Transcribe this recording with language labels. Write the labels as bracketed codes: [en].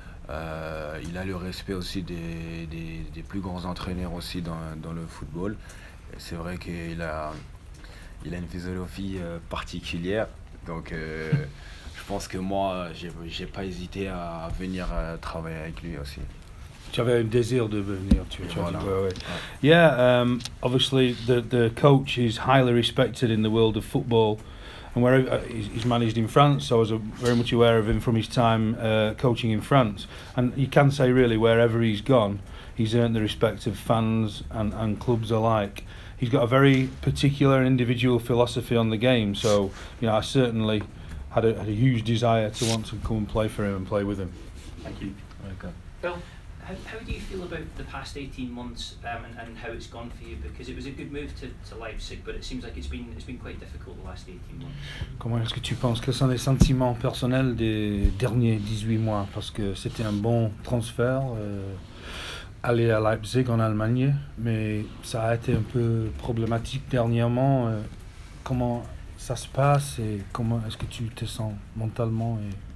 [fr] Il a le respect aussi des plus grands entraîneurs aussi dans le football. Et c'est vrai qu'il a une philosophie particulière. Donc je pense que moi, j'ai pas hésité à venir travailler avec lui aussi. Tu avais un désir de venir, [en] Yeah, obviously the coach is highly respected in the world of football, and where he's managed in France, so I was very much aware of him from his time coaching in France. And you can say really, wherever he's gone, he's earned the respect of fans and clubs alike. He's got a very particular and individual philosophy on the game, so you know, I certainly had a huge desire to want to come and play for him and play with him. Thank you. Okay. Bill, how do you feel about the past 18 months and how it's gone for you? Because it was a good move to Leipzig, but it seems like it's been quite difficult the last 18 months. [fr] Comment est-ce que tu penses? Quels sont les sentiments personnels des derniers 18 mois? Parce que c'était un bon transfert. Aller à Leipzig en Allemagne, mais ça a été un peu problématique dernièrement. Comment ça se passe et comment est-ce que tu te sens mentalement et...